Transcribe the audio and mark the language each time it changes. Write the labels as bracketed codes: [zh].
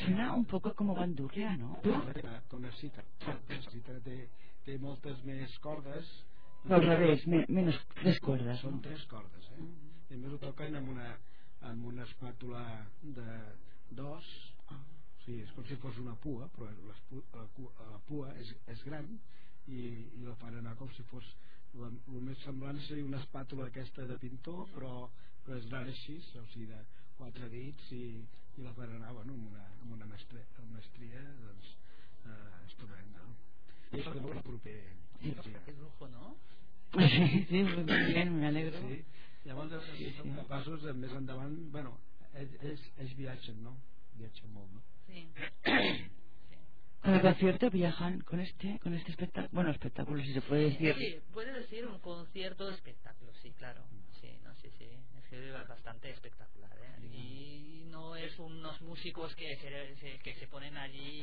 [es] Suena un poco como bandurria, ¿no? [ca] La cita té moltes més cordes. No, al revés, menys tres cordes. Són tres cordes, eh? Mm-hmm. I a més ho toquen amb una espàtula de dos. O sigui, és com si fos una pua, però la pua és gran, i la fan anar com si fos... El més semblant seria una espàtula aquesta de pintor, però és gran així, o sigui, de quatre dits, i la fan anar, bueno, amb una mestria, doncs, estupenda. I això és el proper... Que brujo, no? Sí, molt bé, m'alegro. Sí, llavors som capaços, més endavant, bueno, ells viatgen, no? Viatgen molt, no? Sí. Sí. [es] Cada concierto viajan con este espectáculo, bueno, espectáculo, si se puede decir. Sí, puede decir un concierto de espectáculo, sí, claro. Sí, no sé, sí, es que es bastante espectacular, ¿eh? Sí. Y no es unos músicos que se ponen allí.